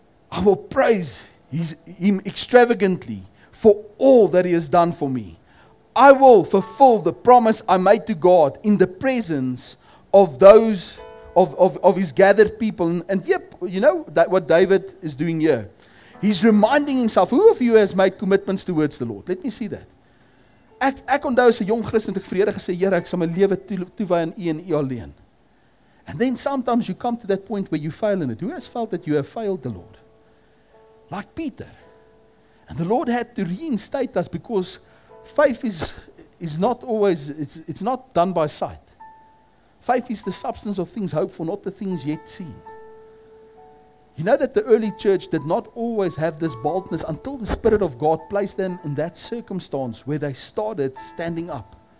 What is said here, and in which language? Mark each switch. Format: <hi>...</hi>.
<en>I will praise Him extravagantly for all that He has done for me. I will fulfill the promise I made to God in the presence of those of His gathered people. And yep, you know that what David is doing here. He's reminding himself, who of you has made commitments towards the Lord? Let me see that.</en> <af>Ek onthou as 'n jong Christen, ek vrede gesê, Here, ek sal my lewe toewy aan U en U alleen.</af> <en>And then sometimes you come to that point where you fail in it. Who has felt that you have failed the Lord? Like Peter. And the Lord had to reinstate us because faith is not always, it's not done by sight. Faith is the substance of things hoped for, not the things yet seen. You know that the early church did not always have this boldness until the Spirit of God placed them in that circumstance where they started standing up.</en>